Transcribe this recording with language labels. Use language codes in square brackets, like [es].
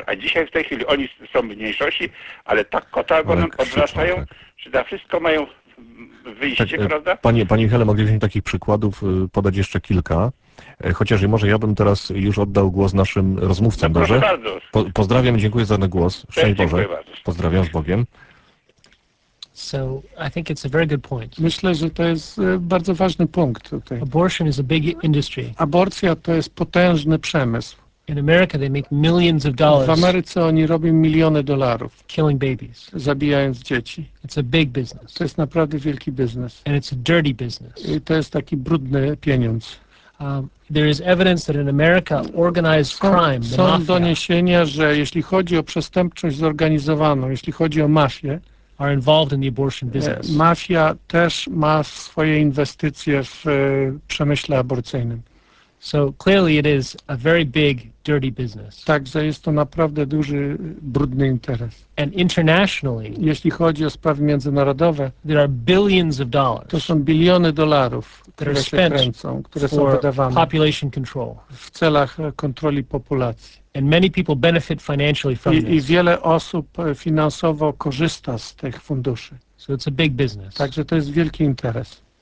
[pl] A dzisiaj w tej chwili oni są w mniejszości, ale tak kota ogonem odwracają, że na wszystko mają wyjście, tak, prawda? Panie Michale, moglibyśmy takich przykładów podać jeszcze kilka. Chociaż może ja bym teraz już oddał głos naszym rozmówcom, dobrze? Pozdrawiam, dziękuję za ten głos. Szczęść Boże. Pozdrawiam, z Bogiem. [en] So, I think it's a very good point. [pl] Myślę, że to jest bardzo ważny punkt tutaj. [en] Abortion is a big industry. [pl] Aborcja to jest potężny przemysł. [en] In America they make millions of dollars. [pl] W Ameryce oni robią miliony dolarów. [en] Killing babies. [pl] Zabijając dzieci. [en] It's a big business. [pl] To jest naprawdę wielki biznes. [en] And it's a dirty business. [pl] I to jest taki brudny pieniądz. [en] There is evidence that in America organized crime, [pl] są doniesienia, że jeśli chodzi o przestępczość zorganizowaną, jeśli chodzi o mafię, [en] are involved in the abortion business. [pl] Mafia też ma swoje inwestycje w przemyśle aborcyjnym. [en] So clearly it is a very big dirty business. [pl] Także jest to naprawdę duży brudny interes. [en] And internationally, [pl] jeśli chodzi o sprawy międzynarodowe, [en] there are billions of dollars. [pl] To są biliony dolarów, które się kręcą, które są wydawane [en] population control. [pl] W celach kontroli populacji. [en] And many people benefit financially from this. [pl] I wiele osób finansowo korzysta z tych funduszy. [en] So it's a big business. [pl] Także to jest wielki interes.